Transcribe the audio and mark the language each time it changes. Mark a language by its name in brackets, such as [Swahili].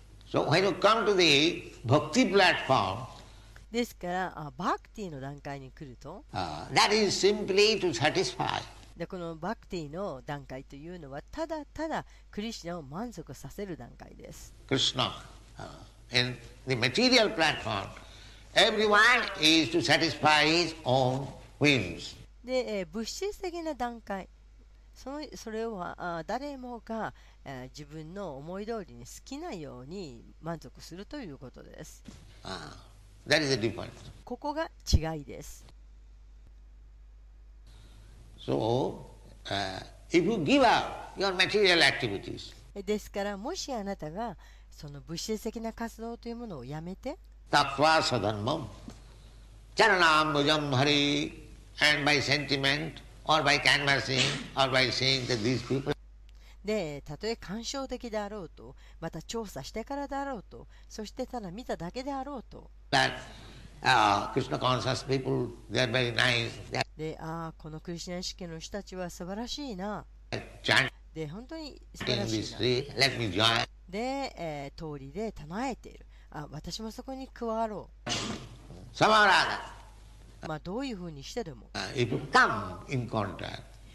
[English] So when you come to the Bhakti platform, [Japanese] ですから、バクティの段階に来ると、 [English] that is simply to satisfy. [Japanese] で、このバクティの段階というのは、ただただクリシナを満足させる段階です。 [English] Krishna, in the material platform, everyone is to satisfy his own whims. [Japanese] で、物質的な段階、それは誰もが自分の思い通りに好きなように満足するということです。 [English] That is the difference. [Japanese] ここが違いです。 [English] So, if you give up your material activities, [Japanese] ですから、もしあなたがその物質的な活動というものをやめて、 [Sanskrit] tattva sadharmam, charanam bhujam hari, [English] and by sentiment, or by canvassing, or by saying that these people... [Japanese] で、たとえ感傷的であろうと、また調査してからであろうと、そしてただ見ただけであろうと。 [English] But, Krishna conscious people, they are very nice. [Japanese] で、ああ、このクリシナ意識の人たちは素晴らしいな。 [English] Chant. [Japanese] で、本当に素晴らしいな。 [English] Let me join. [Japanese] で、通りで唱えている。あ、私もそこに加わろう。サマラダ。まあ、どういうふうにしてでも。 [English] If you come in contact.